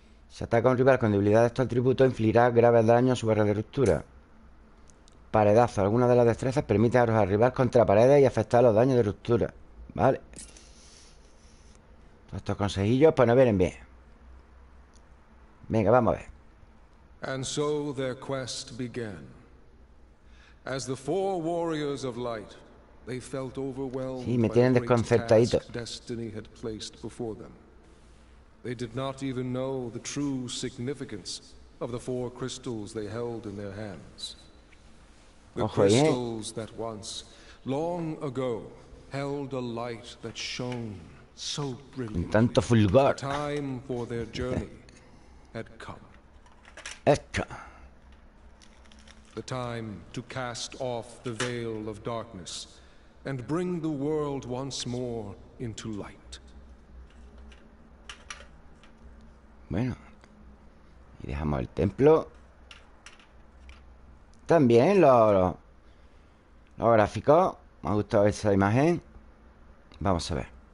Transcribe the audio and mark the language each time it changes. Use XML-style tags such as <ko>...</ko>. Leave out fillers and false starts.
<es>Si ataca a un rival con debilidad de estos atributos, infligirá graves daños a su barra de ruptura. Paredazo. Alguna de las destrezas permite arrojar al rival contra paredes y afectar los daños de ruptura. ¿Vale? Todos estos consejillos, pues nos vienen bien. Venga, vamos a ver.</es> <en>And so their quest began. As the four warriors of light, they felt overwhelmed.</en> <es>Sí, me tienen desconcertadito.</es> <en>Destiny had placed before them. They did not even know the true significance of the four crystals they held in their hands. The crystals that once, long ago, held a light that shone so brilliantly.</en> <es>Tanto fulgor.</es> <en>The time for their journey had come.</en> <es>Esto.</es> <en>The time to cast off the veil of darkness and bring the world once more into light.</en> <es>Bueno, y dejamos el templo. También los gráficos. Me ha gustado esa imagen. Vamos a ver.</es>